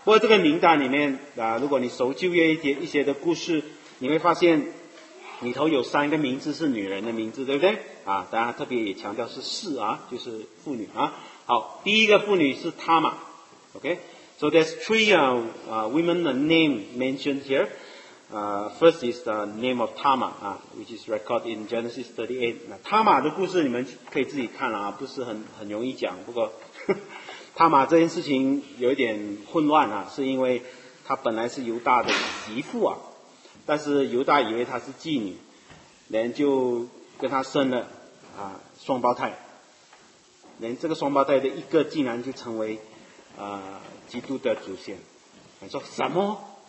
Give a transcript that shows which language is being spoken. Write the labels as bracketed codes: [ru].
[zh] 不过这个名单里面啊，如果你熟旧约一些的故事，你会发现里头有三个名字是女人的名字，对不对啊？当然特别也强调是士啊，就是妇女啊。好，第一个妇女是塔玛 ，OK。 [en] So there's three women name mentioned here. First is the name of Tamar, which is recorded in Genesis 38. [zh] 那塔玛的故事你们可以自己看啊，不是很容易讲。不过塔玛这件事情有一点混乱啊，是因为他本来是犹大的媳妇啊，但是犹大以为他是妓女，连就跟他生了双胞胎，连这个双胞胎的一个竟然就成为基督的祖先。你说什么？